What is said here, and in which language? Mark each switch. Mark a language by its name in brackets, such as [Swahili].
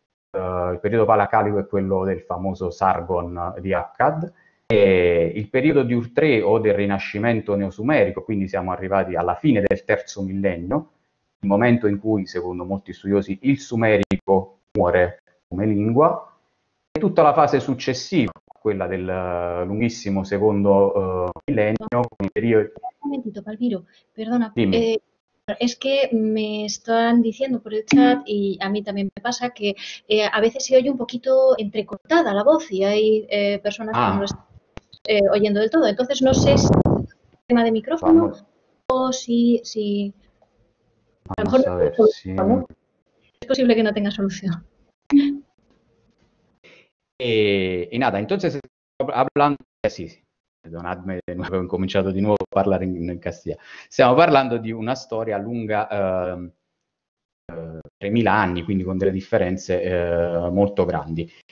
[Italian] Il periodo paleoaccadico è quello del famoso Sargon di Akkad, e il periodo di Ur III o del Rinascimento neosumerico, quindi siamo arrivati alla fine del terzo millennio, il momento in cui, secondo molti studiosi, il sumerico muore come lingua, e tutta la fase successiva, quella del lunghissimo secondo millennio, con i periodi. [Spanish] Momentito, Palmiro, perdona, [Italian] Dimmi. [Spanish] es que me están diciendo por el chat y a mí también me pasa que a veces se oye un poquito entrecortada la voz y hay personas que no lo están oyendo del todo. Entonces no sé si es tema de micrófono vamos o si a lo a ver mejor si no es posible que no tenga solución. y nada, entonces hablando sí. [Italian] Perdonadme, avevo incominciato di nuovo a parlare in Castilla. Stiamo parlando di una storia lunga 3.000 anni, quindi con delle differenze molto grandi.